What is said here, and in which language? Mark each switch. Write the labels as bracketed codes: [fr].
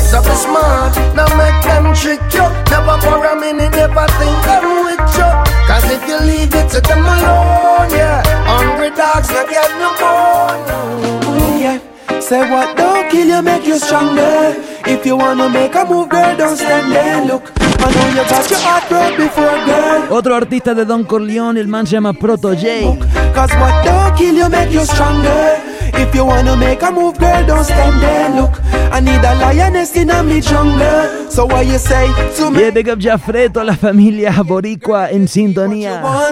[en] So be smart, no make them trick you. Never for a minute, never think them with you. Cause if you leave it to them alone, yeah, hungry dogs not get no bonus. Say what don't kill you make you stronger. If you wanna make a move, girl, don't stand there. Look, I know you got your heart broke before, girl. [es] Otro artista de Don Corleone, el man se llama Proto J. [en] Cause what don't kill you make you stronger. If you wanna make a move, girl, don't stand there. Look, I need a lioness in a me jungle. So what you say to me? [es] Yeah, [en] big up [es] Jafreto, la familia boricua en sintonía.